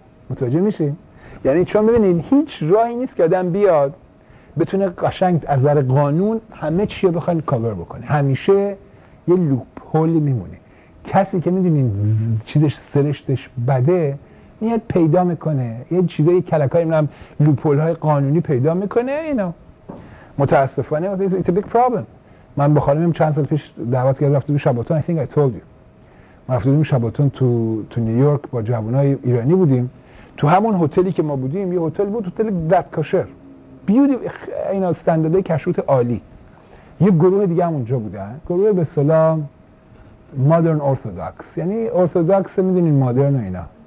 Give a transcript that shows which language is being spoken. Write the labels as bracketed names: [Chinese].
[Persian] متوجه میشی؟ یعنی چون ببینید هیچ راهی نیست که آدم بیاد بتونه قشنگ از نظر قانون همه چی رو بخواد کاور بکنه، همیشه یه لوپ هول میمونه. کسی که میدونین چیزش سرشتش بده میاد پیدا میکنه یه چیزای کلکای میرم لوپ هول های قانونی پیدا میکنه اینا. متاسفانه [English] it's a big problem. [Persian] من با خانمم چند سال پیش دعوت کردم رفتم شباتون، [English] I think I told you. [Persian] ما رفتیم شباتون تو نیویورک با جوانای ایرانی بودیم، تو همون هتلی که ما بودیم یه هتل بود، هتل دات کاشر بیودی اینا استنداردهای کشروت عالی. یه گروه دیگه هم اونجا بودن، گروه به سلام مادرن ارتودکس، یعنی ارتودکس میدونین مادرن و اینا.